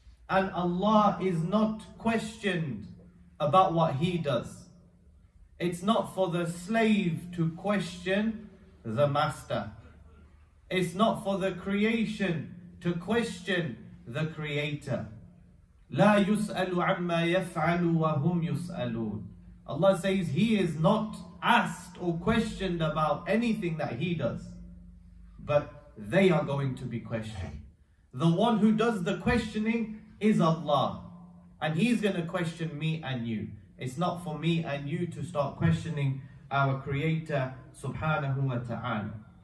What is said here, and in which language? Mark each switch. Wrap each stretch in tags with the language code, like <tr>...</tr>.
<en>And Allah is not questioned about what He does. It's not for the slave to question the master. It's not for the creation to question the creator.</en> <ar>لا يسأل عما يفعل وهم يسألون.</ar> <en>Allah says He is not asked or questioned about anything that He does. But they are going to be questioned. The one who does the questioning is Allah, and He's going to question me and you. It's not for me and you to start questioning our Creator subhanahu wa ta'ala.</en>